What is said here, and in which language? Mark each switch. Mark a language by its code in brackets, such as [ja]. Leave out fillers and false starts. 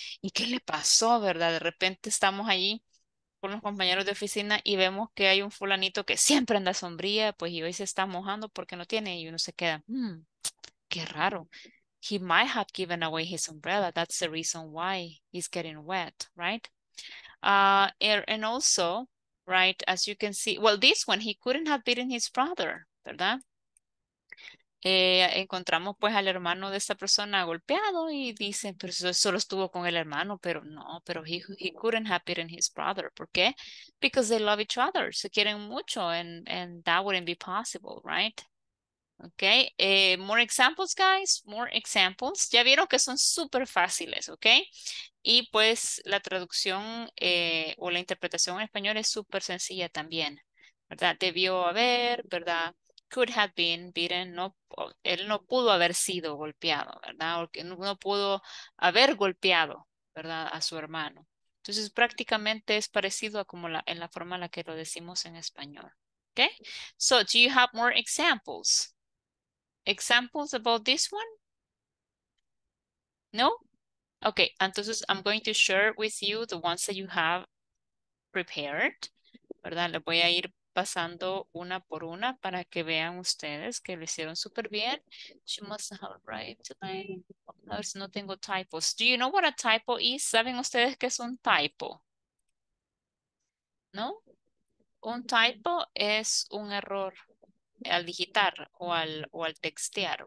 [es] ¿Y qué le pasó, verdad? De repente estamos allí con los compañeros de oficina y vemos que hay un fulanito que siempre anda sombría, pues, y hoy se está mojando porque no tiene, y uno se queda, qué raro. [en] He might have given away his umbrella. That's the reason why he's getting wet, right? And also, right, as you can see, well, this one, he couldn't have beaten his brother, [es] ¿verdad? Encontramos pues al hermano de esta persona golpeado y dicen, pero solo estuvo con el hermano, pero no, pero [en] he couldn't have beaten his brother. [es] ¿Por qué? [en] Because they love each other, [es] se quieren mucho, [en] and that wouldn't be possible, right? Okay, more examples, guys, more examples. [es] Ya vieron que son súper fáciles, okay? Y pues la traducción o la interpretación en español es súper sencilla también, ¿verdad? Debió haber, ¿verdad? [en] Could have been beaten, [es] no, él no pudo haber sido golpeado, ¿verdad? O que no pudo haber golpeado, ¿verdad? A su hermano. Entonces, prácticamente es parecido a como la, en la forma en la que lo decimos en español. [en] Okay? So, do you have more examples? Examples about this one? No? Okay, [es] entonces, [en] I'm going to share with you the ones that you have prepared, [es] ¿verdad? Le voy a ir pasando una por una para que vean ustedes que lo hicieron súper bien. [en] She must have arrived today. [es] A ver si no tengo typos. [en] Do you know what a typo is? [es] ¿Saben ustedes qué es un typo? ¿No? Un typo es un error al digitar o al textear.